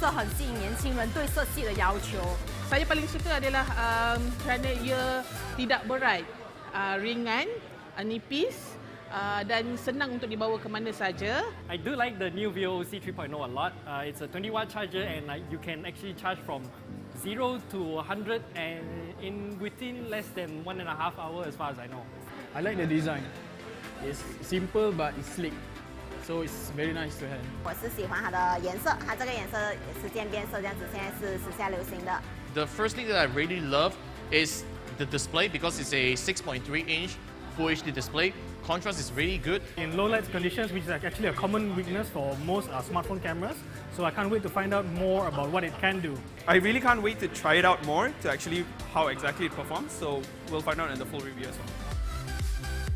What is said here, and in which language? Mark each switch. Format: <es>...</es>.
<zh>我觉得它最吸引的应该是它的机身的颜色吧，就是渐色系的，就是很吸引年轻人对色系的要求。</zh> <ms>Saya paling suka adalah kerana ia tidak berat, ringan, nipis, dan senang untuk dibawa ke mana saja.</ms> <en>I do like the new VOC 3.0 a lot. It's a 20 watt charger and you can actually charge from 0 to 100 and in within less than 1.5 hours as far as I know. I like the design. It's simple but it's slick. So it's very nice to have.</en> <zh>我是喜欢它的颜色，它这个颜色也是渐变色这样子，现在是时下流行的。</zh> <en>The first thing that I really love is the display, because it's a 6.3 inch Full HD display. Contrast is really good. In low light conditions, which is actually a common weakness for most smartphone cameras, so I can't wait to find out more about what it can do. I really can't wait to try it out more to actually how exactly it performs, so we'll find out in the full review as well.</en>